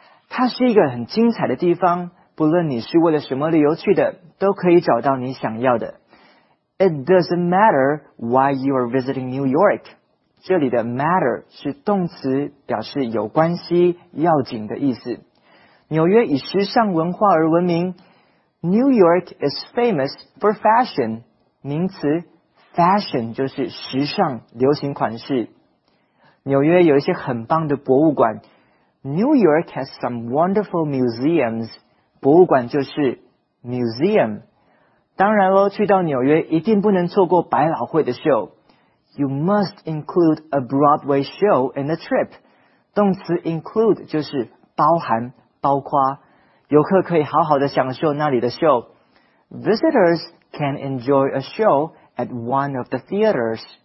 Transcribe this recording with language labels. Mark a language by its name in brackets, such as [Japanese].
[Chinese] 它是一个很精彩的地方，不论你是为了什么旅游去的，都可以找到你想要的。 [English] It doesn't matter why you are visiting New York. [Chinese] 这里的 matter 是动词，表示有关系、要紧的意思。纽约以时尚文化而闻名， [English] New York is famous for fashion. [Chinese] 名词 fashion 就是时尚、流行款式。纽约有一些很棒的博物馆， [English] New York has some wonderful museums. [Chinese] 博物馆就是 museum. 当然咯，去到纽约一定不能错过百老汇的秀。 [English] You must include a Broadway show in the trip. [Chinese] 动词 include 就是包含、包括，游客可以好好的享受那里的秀。 [English] Visitors can enjoy a show at one of the theaters.